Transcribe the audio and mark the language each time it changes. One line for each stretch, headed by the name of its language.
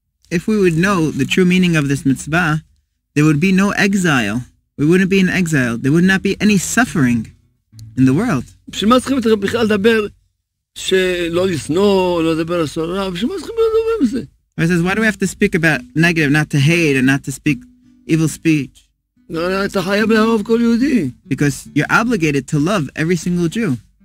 English: If we would know the true meaning of this mitzvah, there would be no exile. We wouldn't be in exile. There would not be any suffering in the world.
Hebrew: בשביל מה צריכים בכלל לדבר שלא לשנוא, לא לדבר על שנאה, בשביל מה צריכים לדבר עם זה?
English: Or he says, why do we have to speak about negative, not to hate and not to speak evil speech? Because you're obligated to love every single Jew.